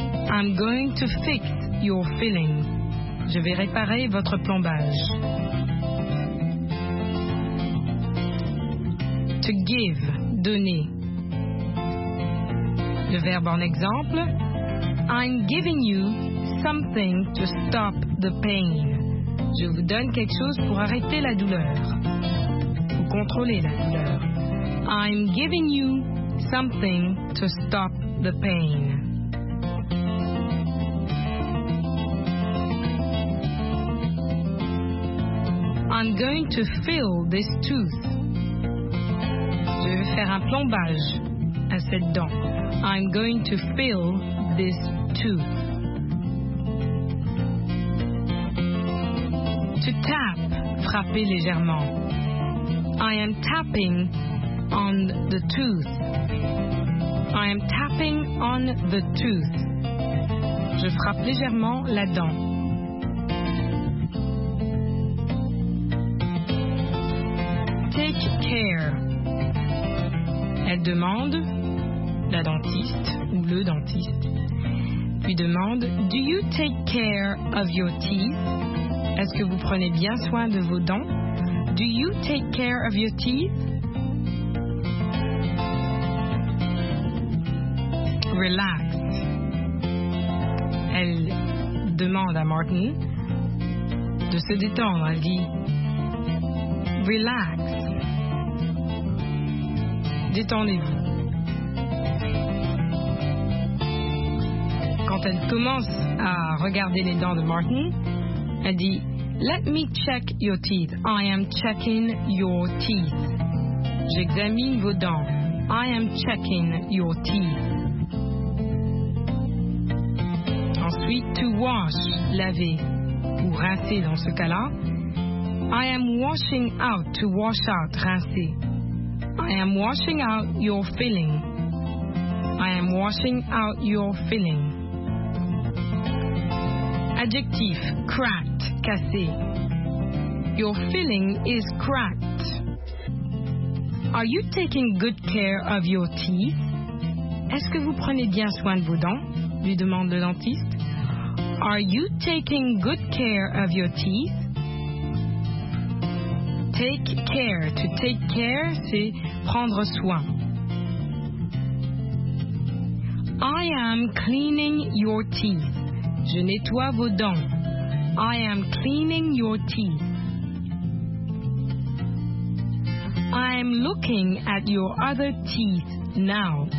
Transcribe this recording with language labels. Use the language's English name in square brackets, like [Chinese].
[English] I'm going to fix your filling. [French] Je vais réparer votre plombage. [English] To give, donner. [French] Le verbe en exemple, [English] I'm giving you something to stop the pain. [French] Je vous donne quelque chose pour arrêter la douleur, pour contrôler la douleur. [English] I'm giving you something to stop the pain. I'm going to fill this tooth. [French] Je vais faire un plombage à cette dent. [English] I'm going to fill this tooth. [French] To tap, frapper légèrement. [English] I am tapping on the tooth. I am tapping on the tooth. [French] Je frappe légèrement la dent. [English] Take care. [French] Elle demande, la dentiste ou le dentiste, lui demande, [English] Do you take care of your teeth? [French] Est-ce que vous prenez bien soin de vos dents? [English] Do you take care of your teeth? Relax. [French] Elle demande à Martin de se détendre, elle dit, Relax. Détendez-vous. Quand elle commence à regarder les dents de Martin, elle dit [English] Let me check your teeth. I am checking your teeth. [French] J'examine vos dents. [English] I am checking your teeth. [French] ensuite to wash, laver, ou rincer dans ce cas-là. [English] I am washing out, to wash out, rincer. I am washing out your feeling. I am washing out your feeling. [French] Adjectif, cracked, cassé. [English] Your feeling is cracked. Are you taking good care of your teeth? [French] Est-ce que vous prenez bien soin de vos dents? Lui demande le dentiste. [English] Are you taking good care of your teeth? Take care. [French] To take care, c'est prendre soin. [English] I am cleaning your teeth. [French] Je nettoie vos dents. [English] I am cleaning your teeth. I'm looking at your other teeth now.